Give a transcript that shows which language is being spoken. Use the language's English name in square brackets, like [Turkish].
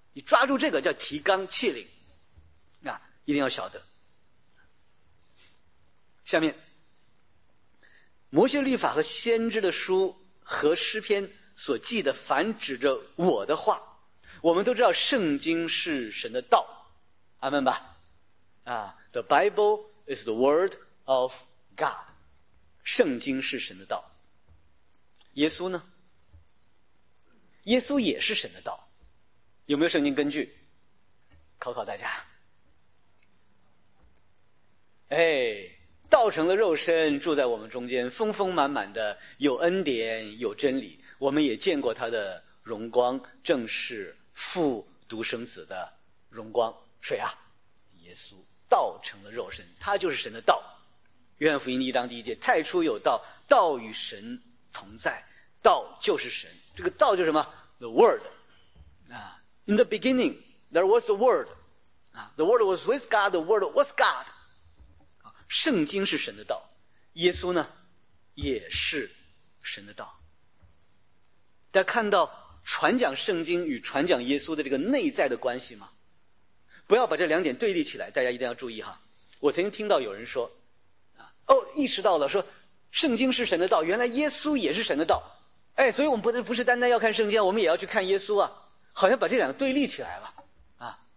[Chinese] 你抓住这个叫提纲挈领，啊，一定要晓得。下面，摩西律法和先知的书和诗篇所记的，凡指着我的话，我们都知道圣经是神的道，阿们吧？啊 ， [English] The Bible is the word of God， [Chinese] 圣经是神的道。耶稣呢？耶稣也是神的道，有没有圣经根据？考考大家，哎。道成了肉身住在我们中间，丰丰满满的，有恩典有真理，我们也见过他的荣光，正是父独生子的荣光。谁啊？耶稣。道成了肉身，他就是神的道。约翰福音第一章第一节，太初有道，道与神同在，道就是神。这个道就是什么？ [English] The word In the beginning there was the word The word was with God, the word was God。 [Chinese] 圣经是神的道，耶稣呢也是神的道。大家看到传讲圣经与传讲耶稣的这个内在的关系吗？不要把这两点对立起来，大家一定要注意哈。我曾经听到有人说哦，意识到了，说圣经是神的道，原来耶稣也是神的道，哎，所以我们不是单单要看圣经，我们也要去看耶稣啊，好像把这两个对立起来了啊。